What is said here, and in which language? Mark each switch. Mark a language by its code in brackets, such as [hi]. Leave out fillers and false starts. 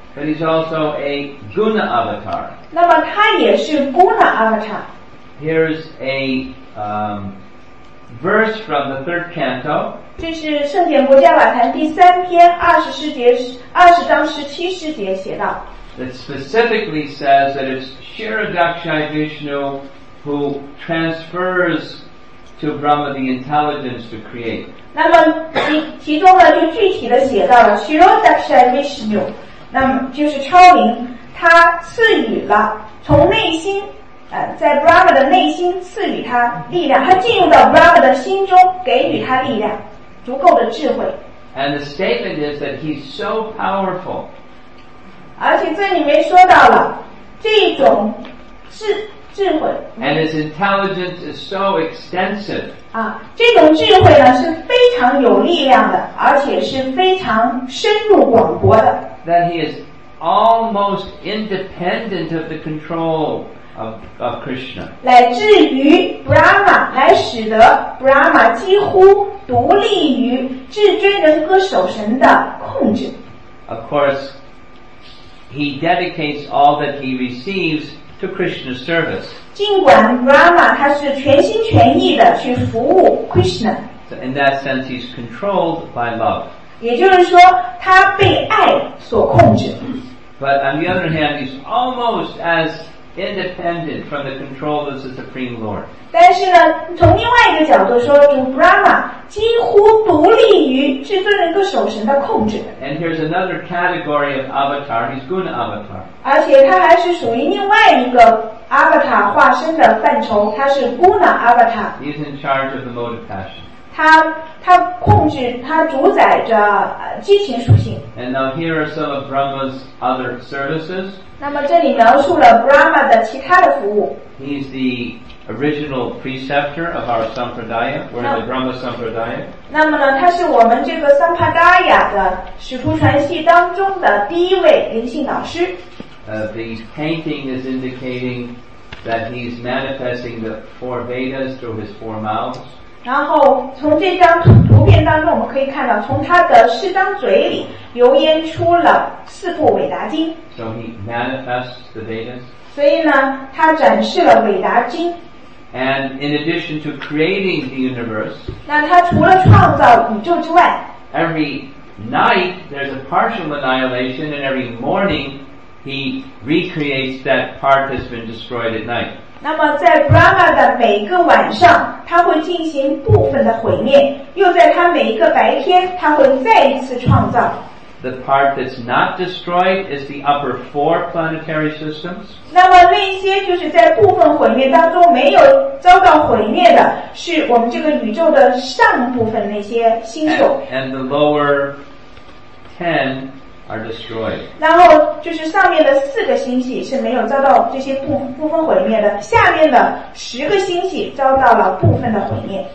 [en] But he's also a guna avatar. [zh] 那么他也是 guna avatar. [en] Here's a verse from the third canto. [zh] 这是圣典博迦瓦坛第三篇二十章十七世节写到。 [en] It specifically says that it's Shiradakshai Vishnu who transfers to Brahma the intelligence to create. [zh] 那么其中呢就具体的写到了 Shirodakshai Vishnu 那么就是超灵他赐予了从内心在 Brahma 的内心赐予他力量他进入到 Brahma 的心中给予他力量足够的智慧 [en] And the statement is that he's so powerful [zh] 而且这里面说到了这种智慧 [en] And his intelligence is so extensive [zh] 这种智慧呢是非常有力量的而且是非常深入广博的 [en] that he is almost independent of the control of Krishna [zh] 来至于 Brahma 来使得 Brahma 几乎独立于至尊人格守神的控制 [en] of course he dedicates all that he receives to Krishna's service [zh] 尽管 Brahma 他是全心全意的去服务 Krishna [en] So in that sense he's controlled by love [zh] 也就是说他被爱所控制 [en] But on the other hand he's almost as independent from the control as the Supreme Lord [zh] 但是呢从另外一个角度说主 Brahma 几乎独立于至尊人格守神的控制 [en] And here's another category of avatar he's guna avatar [zh] 而且他还是属于另外一个阿瓦塔化身的范畴他是 Guna Avatar [en] He's in charge of the mode of passion [zh] 他控制他主宰着激情属性 [en] And now here are some of Brahma's other services [zh] 那么这里描述了 Brahma 的其他的服务 [en] He's the original preceptor of our Sampradaya We're in the Brahma Sampradaya [zh] 那么呢他是我们这个 Sampradaya 的使徒传系当中的第一位灵性导师 [en] The painting is indicating that he's manifesting the four Vedas through his four mouths. [zh] 然后从这张图片当中我们可以看到从他的四张嘴里流烟出了四部伟达经。 [en] So he manifests the Vedas. [zh] 所以呢他展示了伟达经。 [en] And in addition to creating the universe, [zh] 那他除了创造宇宙之外 [en] every night there's a partial annihilation and every morning,He recreates that part that's been destroyed at night. [zh] 那么在 Brahma 的每个晚上他会进行部分的毁灭又在他每一个白天他会再一次创造。 [en] The part that's not destroyed is the upper four planetary systems. [zh] 那么那些就是在部分毁灭当中没有遭到毁灭的是我们这个宇宙的上部分那些星宿。 [en] And the lower ten are destroyed. [zh] 然后就是上面的四个星系是没有遭到这些部分毁灭的，下面的十个星系遭到了部分的毁灭。